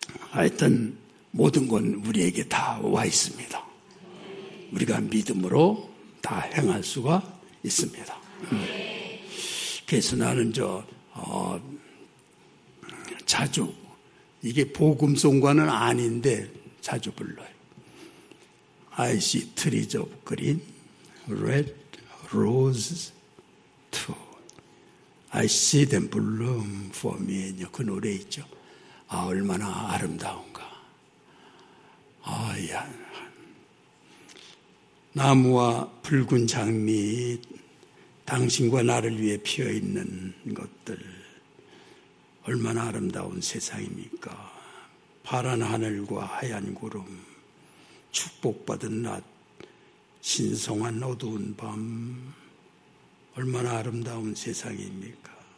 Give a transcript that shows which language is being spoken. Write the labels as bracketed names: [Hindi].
[Korean] 하여튼 모든 건 우리에게 다 와 있습니다. 우리가 믿음으로 다 행할 수가 있습니다. 그래서 나는 자주 이게 복음송과는 아닌데 자주 불러요. [English] I see trees of green, red roses too. I see them bloom for me. [Korean] 그 노래 있죠. 아 얼마나 아름다운가. 아야 나무와 붉은 장미, 당신과 나를 위해 피어 있는 것들. 얼마나 아름다운 세상입니까? 파란 하늘과 하얀 구름, 축복받은 낮, 신성한 어두운 밤, 얼마나 아름다운 세상입니까?